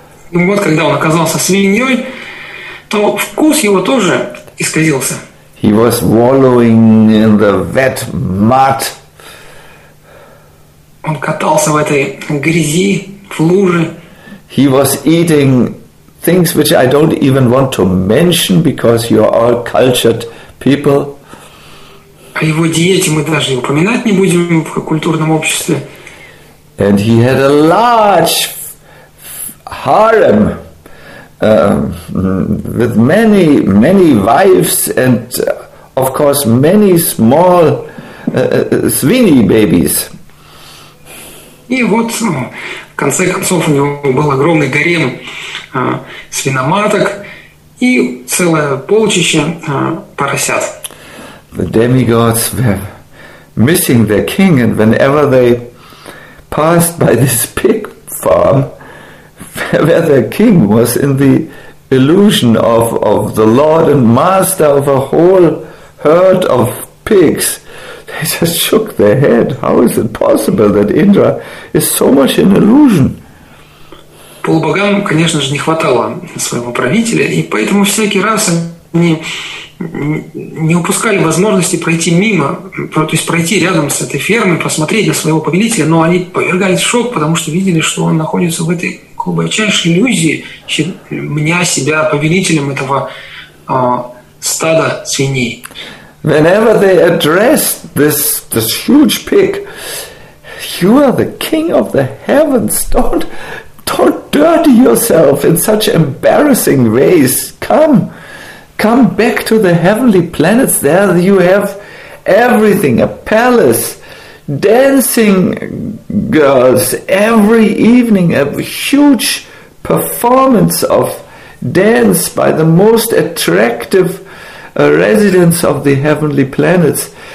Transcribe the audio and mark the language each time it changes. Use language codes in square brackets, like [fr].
[ru] Ну вот, когда он оказался свиньей, то вкус его тоже исказился. [en] He was wallowing in the wet mud. [ru] Он катался в этой грязи, в луже. [en] He was eating things which I don't even want to mention, because you are all cultured people. [ru] О его диете мы даже упоминать не будем в культурном обществе. [en] And he had a large harem with many, many wives and, of course, many small swini babies. [ru] И вот, в конце концов, у него был огромный гарем свиноматок и целое полчище поросят. [en] The demigods were missing their king, and whenever they passed by this pig farm, where the king was in the illusion of the lord and master of a whole herd of pigs, they just shook their head. How is it possible that Indra is so much an illusion? [ru] Полубогам, конечно же, не хватало своего правителя, и поэтому всякий раз они не упускали возможности пройти мимо, то есть пройти рядом с этой фермой, посмотреть на своего повелителя, но они повергались в шок, потому что видели, что он находится в этой глубочайшей иллюзии, мня себя повелителем этого стада свиней. [en] Whenever they addressed this huge pig, you are the king of the heavens, don't dirty yourself in such embarrassing ways, come come back to the heavenly planets. There you have everything, a palace, dancing girls every evening, a huge performance of dance by the most attractive residents of the heavenly planets.